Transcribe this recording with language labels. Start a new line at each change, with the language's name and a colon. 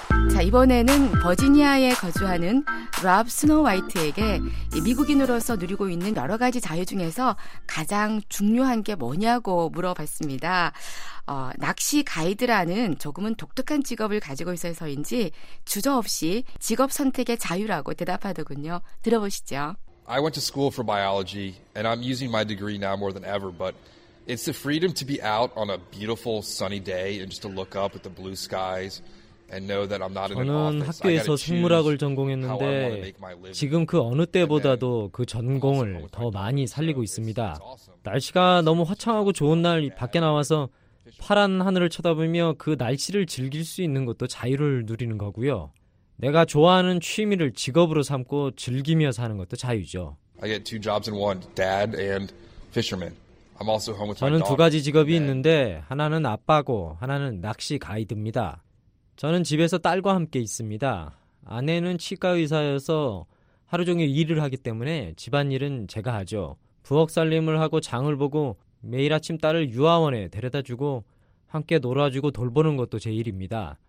Korean: 자, 이번에는 버지니아에 거주하는 랍 스노우화이트에게 미국인으로서 누리고 있는 여러 가지 자유 중에서 가장 중요한 게 뭐냐고 물어봤습니다. 낚시 가이드라는 조금은 독특한 직업을 가지고 있어서인지 주저없이 직업 선택의 자유라고 대답하더군요. 들어보시죠.
English: I went to school for biology and I'm using my degree now more than ever, but it's the freedom to be out on a beautiful sunny day and just to look up at the blue skies.
Korean: 저는 학교에서 생물학을 전공했는데 지금 그 어느 때보다도 그 전공을 더 많이 살리고 있습니다. 날씨가 너무 화창하고 좋은 날 밖에 나와서 파란 하늘을 쳐다보며 그 날씨를 즐길 수 있는 것도 자유를 누리는 거고요. 내가 좋아하는 취미를 직업으로 삼고 즐기며 사는 것도 자유죠.
English: I get two jobs in one, dad and fisherman. I'm also home with my daughter.
Korean: 저는 두 가지 직업이 있는데 하나는 아빠고 하나는 낚시 가이드입니다. 저는 집에서 딸과 함께 있습니다. 아내는 치과의사여서 하루 종일 일을 하기 때문에 집안일은 제가 하죠. 부엌 살림을 하고 장을 보고 매일 아침 딸을 유아원에 데려다주고 함께 놀아주고 돌보는 것도 제 일입니다.